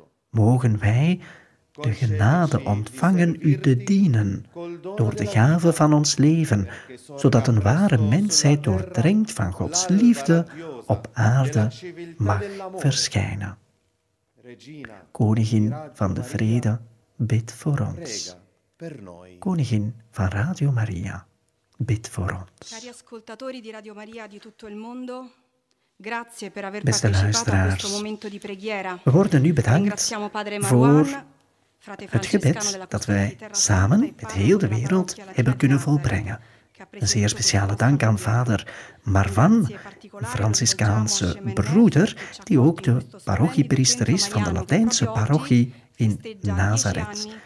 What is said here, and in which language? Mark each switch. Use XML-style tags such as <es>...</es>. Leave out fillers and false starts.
<nl>Mogen wij de genade ontvangen u te dienen door de gave van ons leven, zodat een ware mensheid doordrenkt van Gods liefde op aarde mag verschijnen. Koningin van de Vrede, bid voor ons. Koningin van Radio Maria, bid voor ons.</nl> <it>Cari ascoltatori di Radio Maria di tutto il mondo, grazie per aver partecipato a questo momento di preghiera.</it> <nl>We worden nu bedankt voor het gebed dat wij samen met heel de wereld hebben kunnen volbrengen. Een zeer speciale dank aan vader Marwan, een Franciscaanse broeder, die ook de parochiepriester is van de Latijnse parochie in Nazareth.</nl>